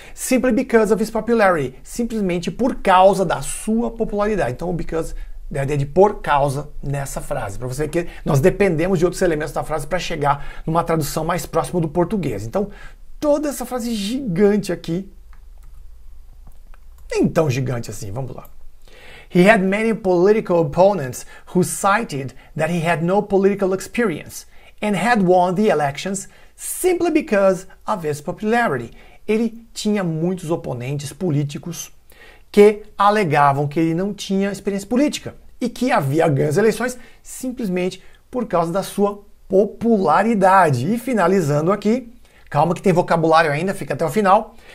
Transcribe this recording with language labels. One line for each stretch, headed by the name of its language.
English: Simply because of his popularity,
Portuguese: simplesmente por causa da sua popularidade. Então, o because, a ideia de por causa nessa frase. Para você ver que nós dependemos de outros elementos da frase para chegar numa tradução mais próxima do português. Então, toda essa frase gigante aqui, nem tão gigante assim, vamos lá.
English: He had many political opponents who cited that he had no political experience and had won the elections simply because of his popularity.
Portuguese: Ele tinha muitos oponentes políticos que alegavam que ele não tinha experiência política e que havia ganho as eleições simplesmente por causa da sua popularidade. E finalizando aqui, calma que tem vocabulário ainda, fica até o final.